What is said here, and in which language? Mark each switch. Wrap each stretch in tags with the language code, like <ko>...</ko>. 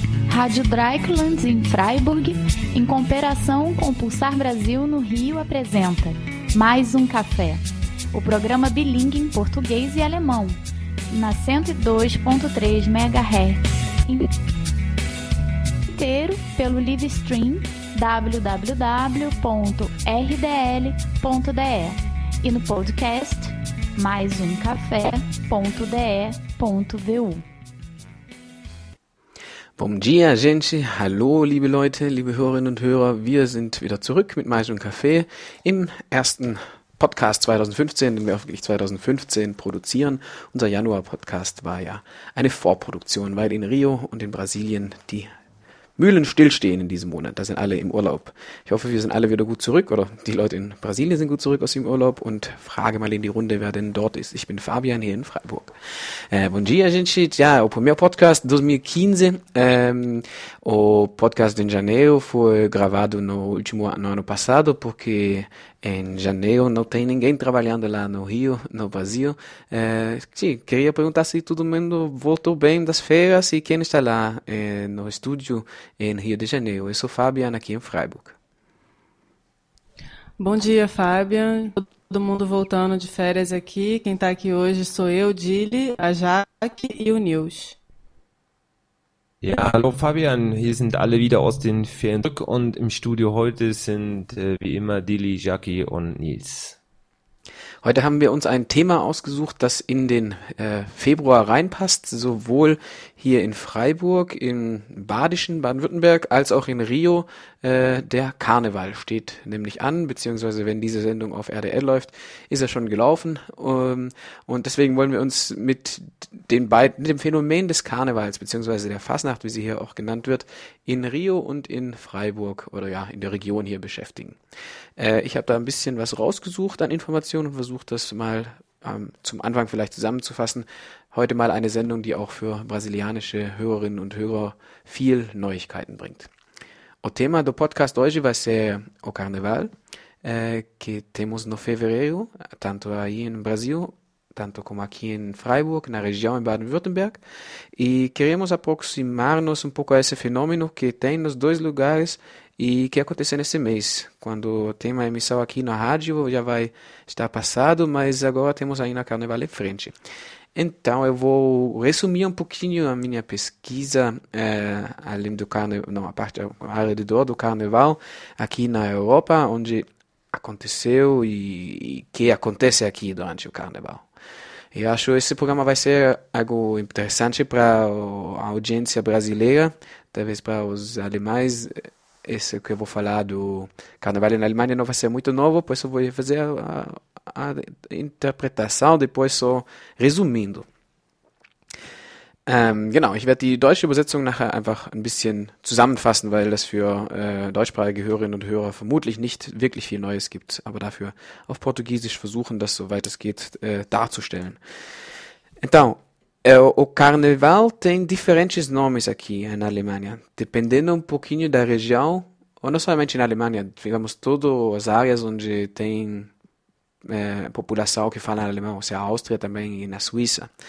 <pt>Rádio Dreieckland em Freiburg, em cooperação com o Pulsar Brasil no Rio, apresenta Mais um Café, o programa bilíngue em português e alemão, na 102.3 MHz, inteiro pelo live stream www.rdl.de e no podcast maisumcafé.de.vu. Bom dia, gente.</pt> <de>Hallo, liebe Leute, liebe Hörerinnen und Hörer. Wir sind wieder zurück mit Mais und Café im ersten Podcast 2015, den wir hoffentlich 2015 produzieren. Unser Januar-Podcast war ja eine Vorproduktion, weil in Rio und in Brasilien die Mühlen stillstehen in diesem Monat. Da sind alle im Urlaub. Ich hoffe, wir sind alle wieder gut zurück oder die Leute in Brasilien sind gut zurück aus dem Urlaub und frage mal in die Runde, wer denn dort ist. Ich bin Fabian hier in Freiburg.</de> <pt>Bom dia, gente. Ja, o primeiro podcast 2015. O podcast em janeiro foi gravado no último ano, ano passado, porque em janeiro não tem ninguém trabalhando lá no Rio, no Brasil. Queria perguntar se todo mundo voltou bem das férias e quem está lá no estúdio em Rio de Janeiro. Eu sou Fabian aqui em Freiburg. Bom dia, Fabian. Todo mundo voltando de férias aqui. Quem está aqui hoje sou eu, Dili, a Jaque e o Nils.</pt> <de>Ja, hallo Fabian, hier sind alle wieder aus den Ferien zurück und im Studio heute sind wie immer Dili, Jackie und Nils. Heute haben wir uns ein Thema ausgesucht, das in den Februar reinpasst, sowohl hier in Freiburg, im Badischen Baden-Württemberg, als auch in Rio. Der Karneval steht nämlich an, beziehungsweise wenn diese Sendung auf RDL läuft, ist er schon gelaufen. Und deswegen wollen wir uns mit den beiden, dem Phänomen des Karnevals, beziehungsweise der Fasnacht, wie sie hier auch genannt wird, in Rio und in Freiburg oder ja, in der Region hier beschäftigen. Ich habe da ein bisschen was rausgesucht an Informationen und versucht das mal zum Anfang vielleicht zusammenzufassen. Heute mal eine Sendung, die auch für brasilianische Hörerinnen und Hörer viel Neuigkeiten bringt.</de> <pt>O tema do podcast hoje vai ser o carnaval, que temos no fevereiro, tanto aí no Brasil, tanto como aqui em Freiburg, na região em Baden-Württemberg. E queremos aproximar-nos um pouco a esse fenômeno que tem nos dois lugares e que aconteceu nesse mês. Quando tem a emissão aqui na rádio, já vai estar passado, mas agora temos ainda o carnaval em frente. Então, eu vou resumir um pouquinho a minha pesquisa, além do carnaval, não, a parte alrededor do carnaval, aqui na Europa, onde aconteceu e que acontece aqui durante o carnaval. Eu acho que esse programa vai ser algo interessante para a audiência brasileira, talvez para os alemães. Esse que eu vou falar do carnaval na Alemanha não vai ser muito novo, por isso eu vou fazer a Interpretation, depois so resumindo.</pt> <de>Genau, ich werde die deutsche Übersetzung nachher einfach ein bisschen zusammenfassen, weil das für deutschsprachige Hörerinnen und Hörer vermutlich nicht wirklich viel Neues gibt, aber dafür auf Portugiesisch versuchen, das soweit es geht darzustellen.</de> <pt>Então, o Carnaval tem diferentes nomes aqui na Alemanha, dependendo um pouquinho da região, ou não somente na Alemanha, digamos, todas as áreas onde tem população que fala alemão, ou seja, a Áustria também e na Suíça.</pt>